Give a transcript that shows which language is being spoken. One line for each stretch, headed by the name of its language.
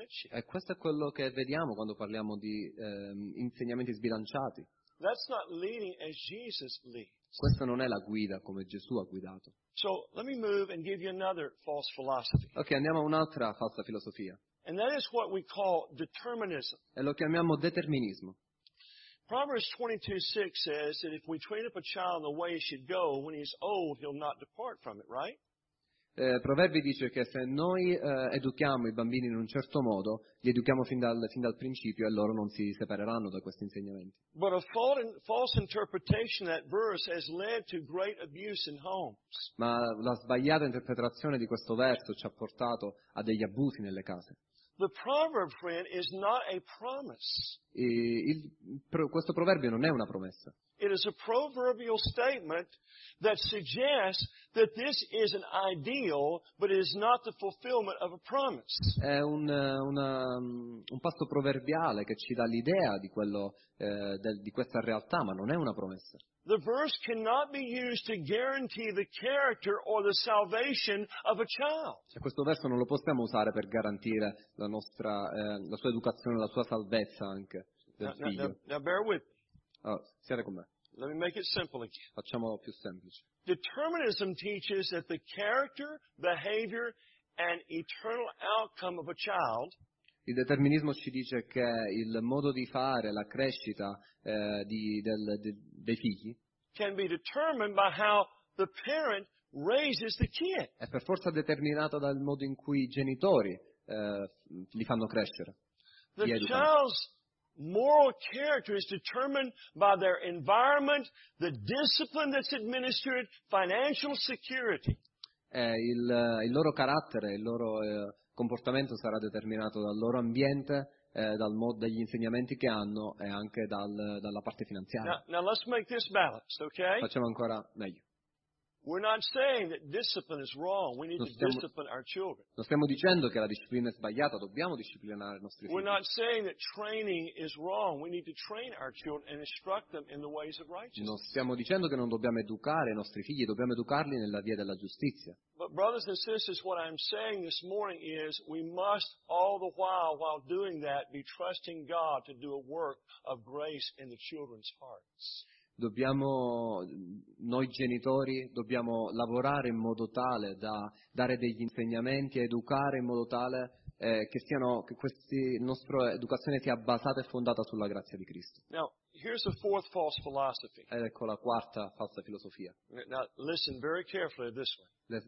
Italian: E questo è quello che vediamo quando parliamo di insegnamenti sbilanciati.
English: That's not leading as Jesus leads.
Italian: Questa non è la guida come Gesù ha guidato.
English: So, let me move and give you another false philosophy.
Italian: Ok, andiamo a un'altra falsa filosofia.
English: And that is what we call determinism.
Italian: E lo chiamiamo determinismo.
English: Proverbs 22:6 says that if we train up a child in the way he should go, when he's old, he'll not depart from it, right?
Italian: Proverbi dice che se noi educhiamo i bambini in un certo modo, li educhiamo fin dal principio e loro non si separeranno da questi insegnamenti.
English: But a false interpretation of that verse has led to great abuse in homes.
Italian: Ma la sbagliata interpretazione di questo verso ci ha portato a degli abusi nelle case.
English: The proverb, friend, is not a promise.
Italian: Questo proverbio non è una promessa.
English: It is a proverbial statement that suggests that this is an ideal, but it is not the fulfillment of a promise.
Italian: È un passo proverbiale che ci dà l'idea di quello di questa realtà, ma non è una promessa.
English: The verse cannot be used to guarantee the character or the salvation of a child.
Italian: E questo verso non lo possiamo usare per garantire la nostra la sua educazione, la sua salvezza anche del figlio.
English: Now bear with me.
Italian: Oh, siate con me.
English: Let me make it simple again.
Italian: Facciamolo più semplice.
English: Determinism teaches that the character, behavior, and eternal outcome of a child.
Italian: Il determinismo ci dice che il modo di fare, la crescita dei figli
English: can be determined by how the parent raises the kid.
Italian: È per forza determinato dal modo in cui i genitori li fanno crescere.
English: The child's moral character is determined by their environment, the discipline that's administered, financial security.
Italian: Il loro carattere, il loro comportamento sarà determinato dal loro ambiente, dagli insegnamenti che hanno e anche dalla parte finanziaria.
English: Now let's make this balanced, okay?
Italian: Facciamo ancora meglio.
English: We're not saying that discipline is wrong. We need to discipline our children.
Italian: Non stiamo dicendo che la disciplina è sbagliata, dobbiamo disciplinare i nostri figli.
English: We're not saying that training is wrong. We need to train our children and instruct them in the ways of righteousness.
Italian: Non stiamo dicendo che non dobbiamo educare i nostri figli, dobbiamo educarli nella via della giustizia.
English: But brothers and sisters, what I'm saying this morning is we must all the while doing that be trusting God to do a work of grace in the children's hearts.
Italian: Dobbiamo, noi genitori, dobbiamo lavorare in modo tale da dare degli insegnamenti, educare in modo tale che questa nostra educazione sia basata e fondata sulla grazia di Cristo.
English: Now, here's the fourth false philosophy.
Italian: Ed ecco la quarta falsa filosofia.
English: Now, listen very carefully to this one.